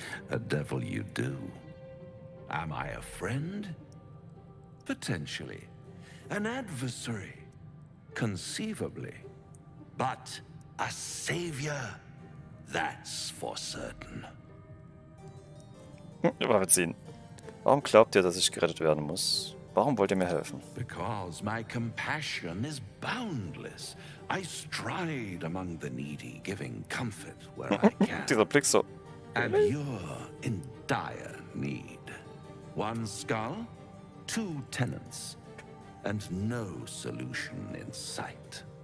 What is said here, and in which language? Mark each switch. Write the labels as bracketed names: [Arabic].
[English] A devil you do. Am I a friend? Potentially. An adversary, conceivably, but a savior, that's for certain. [German] Mal sehen. Warum glaubt ihr, dass ich gerettet werden muss? Warum wollt ihr mir helfen? [English] Because my compassion is boundless. I stride among the needy, giving comfort where I can. [German] Dieser Blick so. [English] And you're in dire need. One skull, two tenants. And no solution in sight.